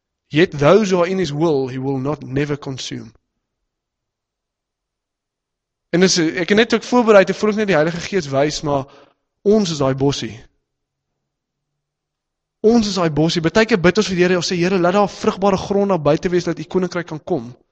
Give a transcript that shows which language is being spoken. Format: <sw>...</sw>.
<en>Yet those who are in his will, he will not never consume.</en> <af>En dis, ek het net ook voorbereid, ek voel ook net die Heilige Gees wys, maar ons is daai bossie. Ons is daai bossie. Baie keer bid ons vir die Here, ons sê, Here, laat daar vrugbare grond daar buite wees, dat die koninkryk kan kom.</af>